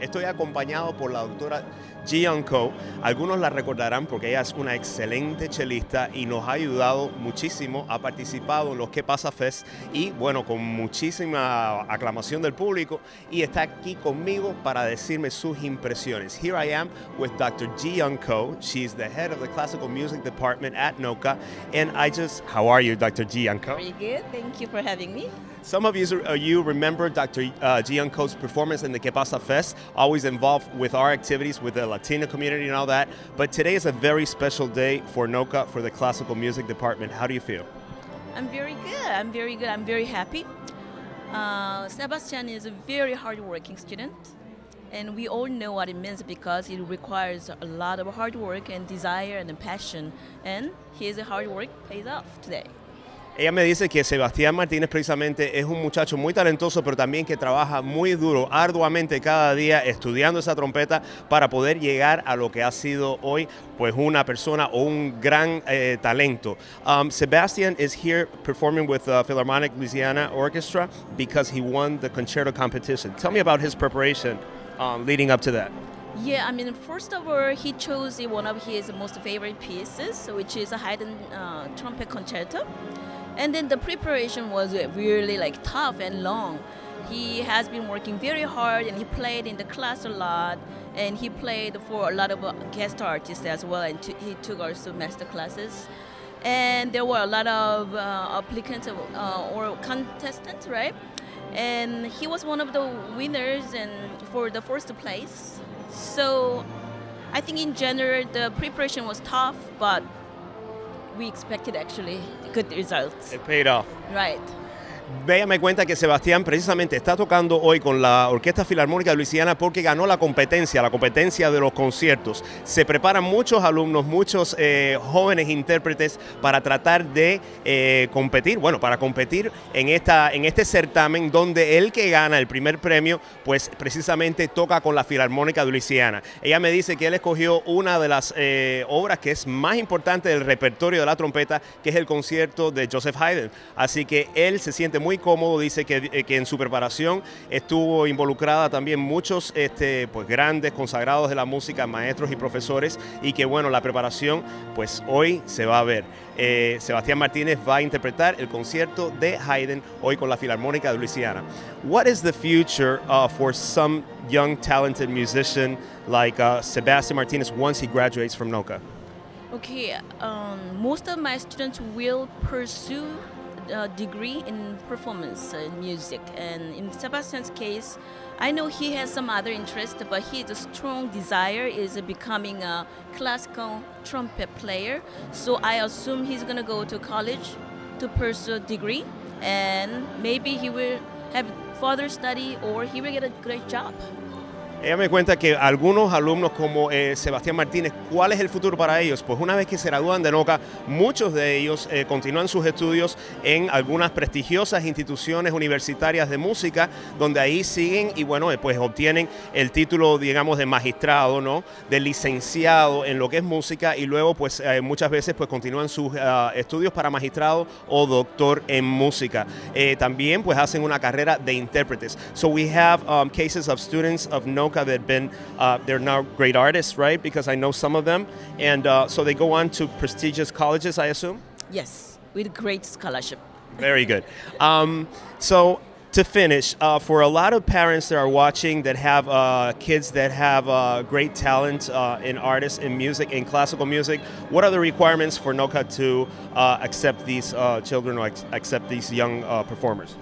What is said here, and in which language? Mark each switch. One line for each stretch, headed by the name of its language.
Spanish: Estoy acompañado por la doctora Jian Ko. Algunos la recordarán porque ella es una excelente chelista y nos ha ayudado muchísimo. Ha participado en los ¿Qué pasa Fest? Y, bueno, con muchísima aclamación del público. Y está aquí conmigo para decirme sus impresiones.
English: Here I am with Dr. Jian Ko. She's the head of the classical music department at NOCCA. And how are you, Dr. Jian Ko? Very good. Thank you for having me. Some of you remember Dr. Jian Ko's performance in the ¿Qué pasa Fest? Always involved with our activities with the Latino community and all that. But today is a very special day for NOCCA, for the classical music department. How do you feel? I'm very good. I'm very good. I'm very happy. Sebastian is a very hardworking student. And we all know what it means because it requires a lot of hard work and desire and passion. And his hard work pays off today.
Spanish: Ella me dice que Sebastián Martínez precisamente es un muchacho muy talentoso, pero también que trabaja muy duro, arduamente cada día estudiando esa trompeta para poder llegar a lo que ha sido hoy, pues una persona o un gran talento.
English: Sebastián is here performing with the Philharmonic Louisiana Orchestra because he won the concerto competition. Tell me about his preparation leading up to that. Yeah, I mean, first of all, he chose one of his most favorite pieces, which is a Haydn trumpet concerto. And then the preparation was really like tough and long. He has been working very hard, and he played in the class a lot, and he played for a lot of guest artists as well, and he took also master classes. And there were a lot of applicants or contestants, right? And he was one of the winners and for the first place. So I think in general, the preparation was tough, but we expected actually good results. It paid off. Right.
Spanish: Bea me cuenta que Sebastián precisamente está tocando hoy con la Orquesta Filarmónica de Luisiana porque ganó la competencia de los conciertos. Se preparan muchos alumnos, muchos jóvenes intérpretes para tratar de competir, bueno, para competir en este certamen donde el que gana el primer premio, pues precisamente toca con la Filarmónica de Luisiana. Ella me dice que él escogió una de las obras que es más importante del repertorio de la trompeta, que es el concierto de Joseph Haydn. Así que él se siente muy cómodo, dice que en su preparación estuvo involucrada también muchos pues grandes consagrados de la música, maestros y profesores, y que bueno, la preparación pues hoy se va a ver. Sebastián Martínez va a interpretar el concierto de Haydn hoy con la Filarmónica de Luisiana.
English: What is the future for some young talented musician like Sebastian Martinez once he graduates from NOCCA? Okay, most of my students will pursue a degree in performance and music, and in Sebastian's case, I know he has some other interest, but his strong desire is becoming a classical trumpet player. So I assume he's gonna go to college to pursue a degree, and maybe he will have further study or he will get a great job.
Spanish: Ella me cuenta que algunos alumnos como Sebastián Martínez, ¿cuál es el futuro para ellos? Pues una vez que se gradúan de NOCCA, muchos de ellos continúan sus estudios en algunas prestigiosas instituciones universitarias de música, donde ahí siguen y bueno, pues obtienen el título, digamos, de magistrado, ¿no? De licenciado en lo que es música, y luego pues muchas veces pues continúan sus estudios para magistrado o doctor en música. También pues hacen una carrera de intérpretes.
English: So we have cases of students of NOCCA that have been, they're now great artists, right? Because I know some of them. And so they go on to prestigious colleges, I assume? Yes, with great scholarship. Very good. So to finish, for a lot of parents that are watching that have kids that have great talent in artists, in music, in classical music, what are the requirements for NOCCA to accept these children or accept these young performers?